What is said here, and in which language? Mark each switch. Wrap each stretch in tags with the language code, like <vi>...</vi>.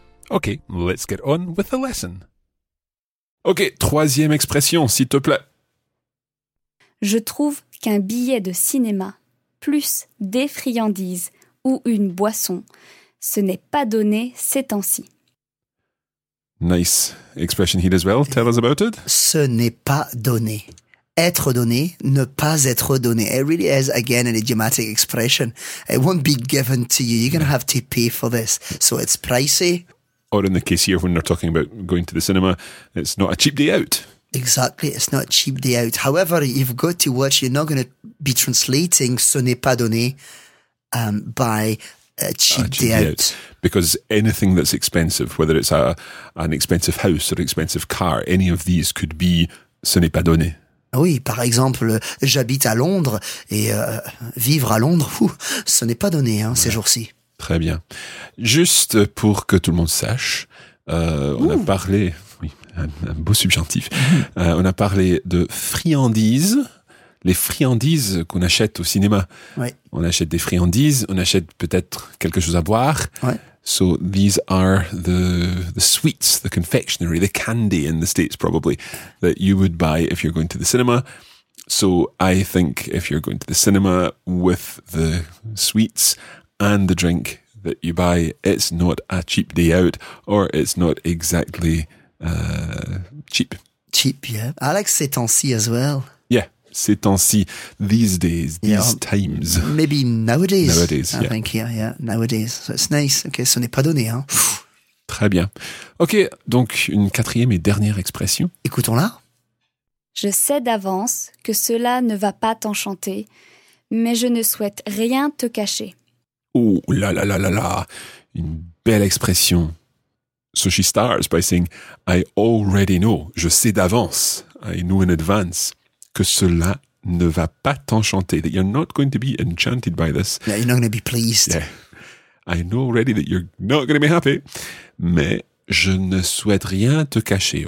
<en>Okay, let's get on with the lesson.</en> <fr>Okay, troisième expression, s'il te plaît. Je trouve qu'un billet de cinéma plus des friandises ou une boisson, ce n'est pas donné ces temps-ci.</fr> <en>Nice expression here as well. Tell us about it.</en> <fr>Ce n'est pas donné. Être donné, ne pas être donné.</fr> <en>It really is, again, an idiomatic expression. It won't be given to you. You're going to have to pay for this. So it's pricey. Or in the case here, when they're talking about going to the cinema, it's not a cheap day out. Exactly, it's not a cheap day out. However, you've got to watch. You're not going to be translating</en> <fr>ce n'est pas donné</fr> <en>by... A cheap day out. Because anything that's expensive, whether it's an expensive house or an expensive car, any of these could be</en> <fr>ce n'est pas donné. Oui, par exemple, j'habite à Londres et vivre à Londres, ce n'est pas donné ces jours-ci. Très bien. Juste pour que tout le monde sache, on a parlé, oui, un beau subjonctif, on a parlé de friandises, les friandises qu'on achète au cinéma. Ouais. On achète des friandises, on achète peut-être quelque chose à boire. Ouais.</fr> <en>So these are the sweets, the confectionery, the candy in the States probably, that you would buy if you're going to the cinema. So I think if you're going to the cinema with the sweets and the drink that you buy, it's not a cheap day out, or it's not exactly cheap. Cheap, yeah. I like</en> <fr>ces temps-ci</fr> <en>as well. Yeah,</en> <fr>ces temps-ci,</fr> <en>these days, these times. Maybe nowadays. Nowadays, I think, yeah, nowadays. So it's nice.</en> <fr>Okay, ce n'est pas donné, hein. Très bien. Ok, donc une quatrième et dernière expression. Écoutons-la. Je sais d'avance que cela ne va pas t'enchanter, mais je ne souhaite rien te cacher. Oh là là là là là, une belle expression.</fr> <en>So she starts by saying, I already know,</en> <fr>je sais d'avance,</fr> <en>I know in advance,</en> <fr>que cela ne va pas t'enchanter,</fr> <en>that you're not going to be enchanted by this. Yeah, you're not going to be pleased. Yeah. I know already that you're not going to be happy,</en> <fr>mais je ne souhaite rien te cacher.</fr>